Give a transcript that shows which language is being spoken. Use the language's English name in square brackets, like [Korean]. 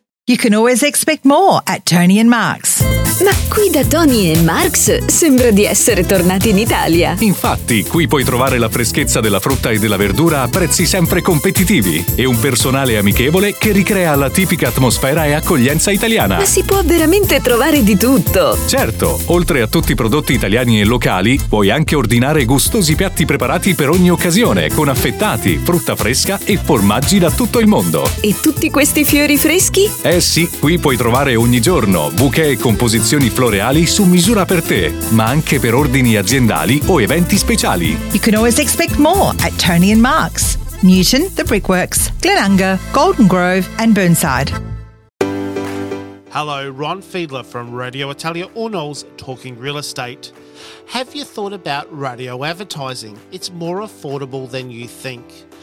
[English] You can always expect more at Tony & Marks. [Italian] Ma qui da Tony & Marks sembra di essere tornati in Italia. Infatti, qui puoi trovare la freschezza della frutta e della verdura a prezzi sempre competitivi e un personale amichevole che ricrea la tipica atmosfera e accoglienza italiana. Ma si può veramente trovare di tutto. Certo, oltre a tutti i prodotti italiani e locali, puoi anche ordinare gustosi piatti preparati per ogni occasione con affettati, frutta fresca e formaggi da tutto il mondo. E tutti questi fiori freschi? Eh sì, qui puoi trovare ogni giorno bouquet e composizioni floreali su misura per te, ma anche per ordini aziendali o eventi speciali. [English] You can always expect more at Tony & Marks, Newton, The Brickworks, Glenanger, Golden Grove and Burnside. Hello, Ron Fiedler from Radio Italia Uno's Talking Real Estate. Have you thought about radio advertising? It's more affordable than you think.